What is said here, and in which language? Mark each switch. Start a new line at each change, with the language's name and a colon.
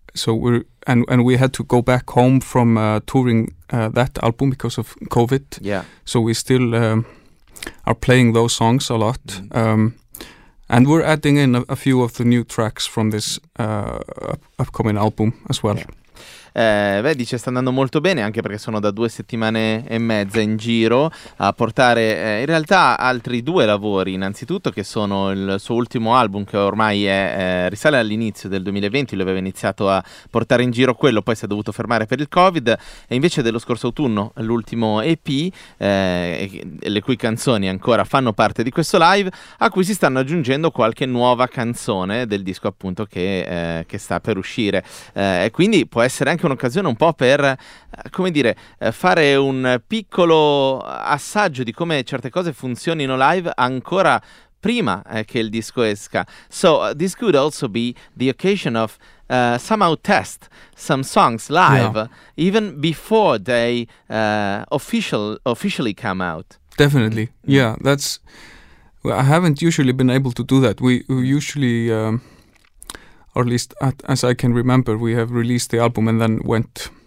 English: So we had to go back home from touring that album because of COVID. Yeah. So we still. Are playing those songs a lot, mm-hmm. And we're adding in a few of the new tracks from this upcoming album as well. Yeah.
Italian: Vedi, ci sta andando molto bene, anche perché sono da 2.5 settimane in giro a portare in realtà altri 2 lavori, innanzitutto, che sono il suo ultimo album, che ormai è risale all'inizio del 2020, lo aveva iniziato a portare in giro quello, poi si è dovuto fermare per il Covid, e invece dello scorso autunno l'ultimo EP, le cui canzoni ancora fanno parte di questo live, a cui si stanno aggiungendo qualche nuova canzone del disco appunto che sta per uscire, e quindi può essere anche un'occasione un po' per, come dire, fare un piccolo assaggio di come certe cose funzionino live ancora prima che il disco esca.
English: So this could also be the occasion of somehow test some songs live, yeah. even before they officially come out. Definitely, yeah. That's I haven't usually been able to do that. We usually or at least as I can remember, we have released the album and then went